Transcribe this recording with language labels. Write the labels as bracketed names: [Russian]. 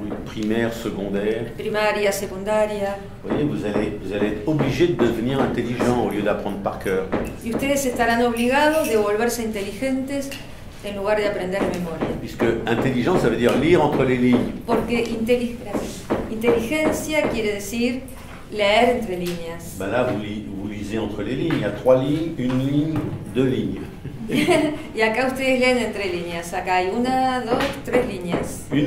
[French] Oui, primaire, secondaire. [Spanish] Primaria, secundaria. [French] Vous voyez, vous allez être obligé de devenir intelligent au lieu d'apprendre par cœur. [Spanish] Y ustedes estarán obligados de volverse inteligentes en lugar de aprender de memoria. [French] Puisque intelligent, ça veut dire lire entre les lignes. [Spanish] Porque inteligencia quiere decir leer entre líneas. [French] Ben là, vous lisez entre les lignes. Il y a trois lignes, une ligne, deux lignes. [Spanish] Y acá ustedes leen entre líneas. Acá hay una, dos, tres líneas.